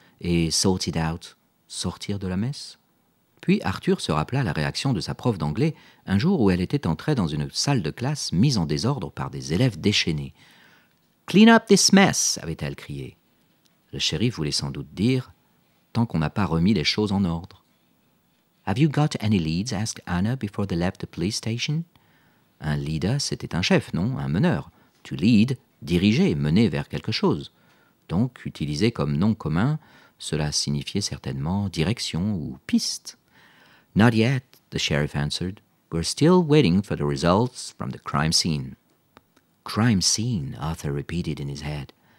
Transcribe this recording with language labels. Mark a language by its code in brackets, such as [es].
[fr] Et [en] sorted out, [fr] sortir de la messe? Puis Arthur se rappela la réaction de sa prof d'anglais un jour où elle était entrée dans une salle de classe mise en désordre par des élèves déchaînés. [en] Clean up this mess, [fr] avait-elle crié. Le shérif voulait sans doute dire tant qu'on n'a pas remis les choses en ordre. [en] « Have you got any leads ?» asked Anna before they left the police station. [fr] Un leader, c'était un chef, non ? Un meneur. « [en] To lead [fr] », diriger, mener vers quelque chose. Donc, utilisé comme nom commun, cela signifiait certainement direction ou piste. [en] « Not yet », the sheriff answered. « We're still waiting for the results from the crime scene. »« Crime scene », Arthur repeated in his head.